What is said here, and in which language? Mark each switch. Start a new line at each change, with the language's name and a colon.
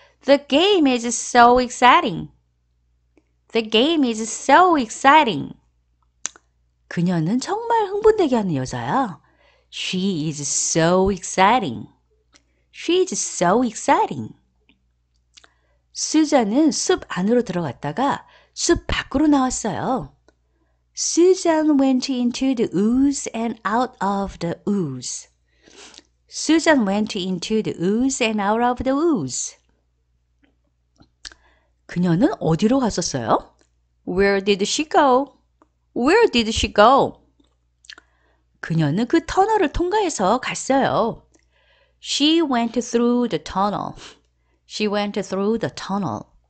English: The game is so exciting. The game is so exciting.
Korean: 그녀는 정말 흥분되게 하는 여자야.
English: She is so exciting. She is so exciting.
Korean: 수잔은 숲 안으로 들어갔다가 숲 밖으로 나왔어요.
English: Susan went into the woods and out of the woods. Susan went into the woods and out of the woods.
Korean: 그녀는 어디로 갔었어요?
English: Where did she go? Where did she go?
Korean: 그녀는 그 터널을 통과해서 갔어요.
English: She went through the tunnel. She went through the tunnel.